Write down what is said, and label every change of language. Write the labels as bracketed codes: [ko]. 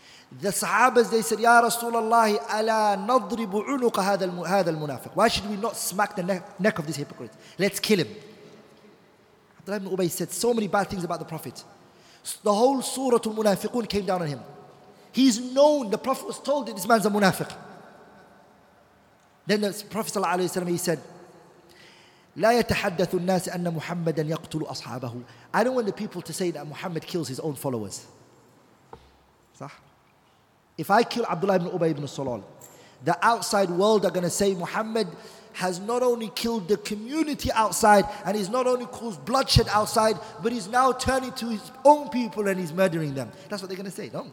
[en] The Sahabas, they said, [ar] Ya Rasulallah, ala nadribu unuqa hadha al-munafiq. [en] Why should we not smack the neck of this hypocrite? Let's kill him. Abdullah ibn Ubay said so many bad things about the Prophet. The whole Surah al-Munafiqun came down on him. He's known, the Prophet was told that this man's a munafiq. Then the Prophet ﷺ, he said, [ar] لا يتحدث الناس أن محمدا يقتل أصحابه. [en] I don't want the people to say that Muhammad kills his own followers. صح؟ If I kill Abdullah ibn Ubay ibn Salul, the outside world are going to say Muhammad has not only killed the community outside and he's not only caused bloodshed outside, but he's now turning to his own people and he's murdering them. That's what they're going to say.